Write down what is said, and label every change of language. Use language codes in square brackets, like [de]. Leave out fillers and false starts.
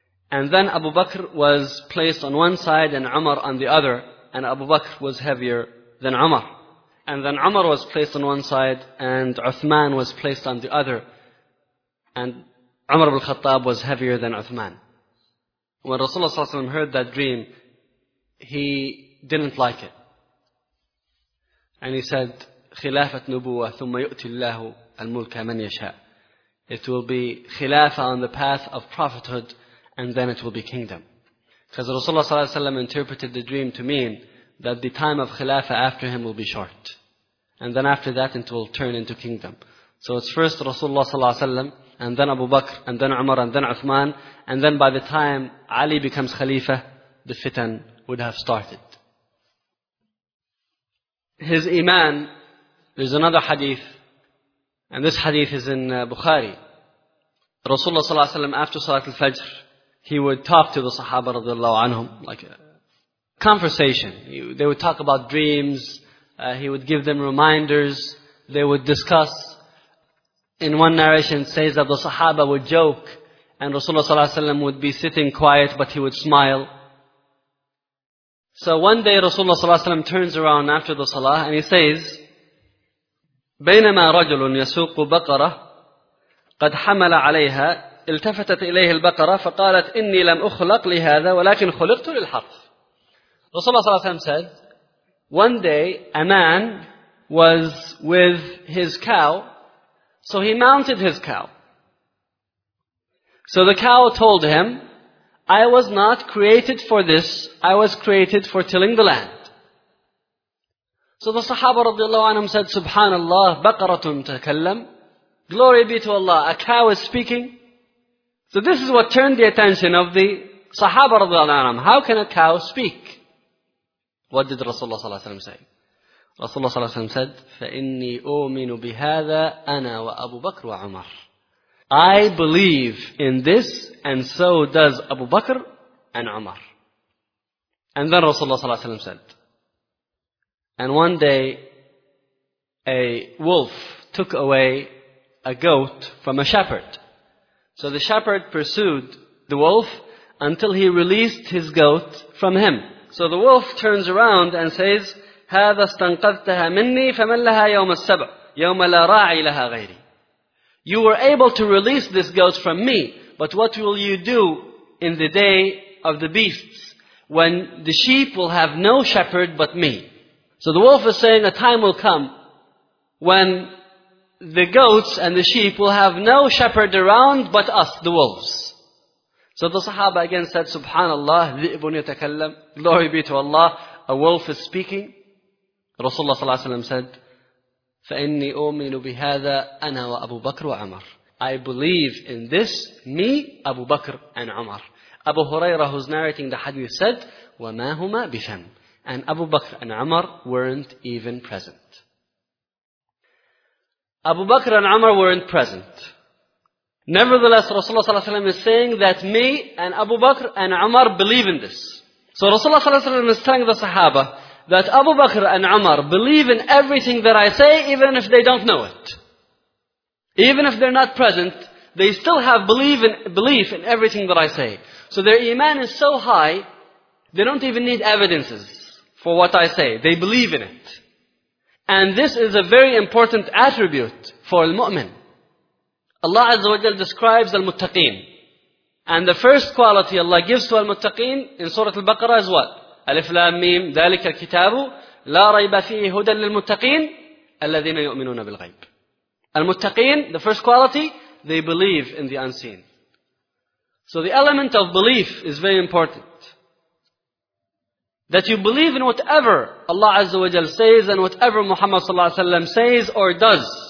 [en] And then Abu Bakr was placed on one side and Umar on the other, and Abu Bakr was heavier than Umar. And then Umar was placed on one side and Uthman was placed on the other, and Umar ibn Khattab was heavier than Uthman. When Rasulullah ﷺ heard that dream, he didn't like it. [ar] And he said, خِلَافَةْ نُبُوَّةْ ثُمَّ يُؤْتِ اللَّهُ الْمُلْكَ مَنْ يَشَاءُ. [en] It will be khilafah on the path of prophethood, and then it will be kingdom. Because Rasulullah ﷺ interpreted the dream to mean that the time of khilafah after him will be short. And then after that it will turn into kingdom. So it's first Rasulullah ﷺ, and then Abu Bakr, and then Umar, and then Uthman, and then by the time Ali becomes khalifa, the fitan would have started. His Iman, there's another hadith, and this hadith is in Bukhari. Rasulullah ﷺ, after Salat al-Fajr, he would talk to the Sahaba radiallahu anhum, like a conversation. They would talk about dreams, he would give them reminders, they would discuss. In one narration it says that the Sahaba would joke, and Rasulullah ﷺ would be sitting quiet, but he would smile. [ar] So one day Rasulullah ﷺ turns around after the Salah, and he says, بينما رجل يسوق بقرة قد حمل عليها التفتت إليه البقرة فقالت إني لم أخلق لهذا ولكن خلقت للحرث. [en] Rasulullah صلى الله عليه وسلم said, one day a man was with his cow, so he mounted his cow. So the cow told him, I was not created for this, I was created for tilling the land. So the Sahaba radiallahu anhum said, Subhanallah, baqaratun takallam. Glory be to Allah, a cow is speaking. So this is what turned the attention of the Sahaba radiallahu anhum. How can a cow speak? What did Rasulullah sallallahu alayhi wa sallam say? [ar] Rasulullah sallallahu alayhi wa sallam said, فَإِنِّي أُؤْمِنُ بِهَذَا أَنَا وَأَبُو بَكْرُ وَعُمَرُ. [en] I believe in this, and so does Abu Bakr and Umar. And then Rasulullah sallallahu alayhi wa sallam said, and one day, a wolf took away a goat from a shepherd. So the shepherd pursued the wolf until he released his goat from him. [ar] So the wolf turns around and says, هَذَا اسْتَنْقَذْتَهَا مِنِّي فَمَنْ لَهَا يَوْمَ السَّبْعُ يَوْمَ لَا رَاعِي لَهَا غَيْرِي. [en] You were able to release this goat from me, but what will you do in the day of the beasts when the sheep will have no shepherd but me? So the wolf is saying a time will come when the goats and the sheep will have no shepherd around but us, the wolves. So the Sahaba again said, Subhanallah, ذِئْبٌ يَتَكَلَّمْ. Glory be to Allah, a wolf is speaking. [ar] Rasulullah صلى الله عليه وسلم said, فَإِنِّي أُؤْمِنُ بِهَذَا أَنَا وَأَبُو بَكْرُ وَعَمَرُ. [en] I believe in this, me, Abu Bakr and Umar. Abu Huraira, who's narrating the hadith, said, وَمَا هُمَا بِفَمْ. And Abu Bakr and Umar weren't even present. Abu Bakr and Umar weren't present. Nevertheless, Rasulullah ﷺ is saying that me and Abu Bakr and Umar believe in this. So Rasulullah ﷺ is telling the Sahaba that Abu Bakr and Umar believe in everything that I say, even if they don't know it. Even if they're not present, they still have belief in everything that I say. So their iman is so high, they don't even need evidences for what I say. They believe in it. And this is a very important attribute for al-mu'min. Allah Azza wa Jal describes al-muttaqeen. And the first quality Allah gives to al-muttaqeen in Surah Al-Baqarah is what? Alif, Lam, Mim, ذَلِكَ الْكِتَابُ [ar] لا ريب فيه هدى للمتقين الذين يؤمنون بالغيب. [en] المتقين, the first quality, they believe in the unseen. So the element of belief is very important. That you believe in whatever Allah Azza wa Jal says and whatever Muhammad Sallallahu Alaihi Wasallam says or does.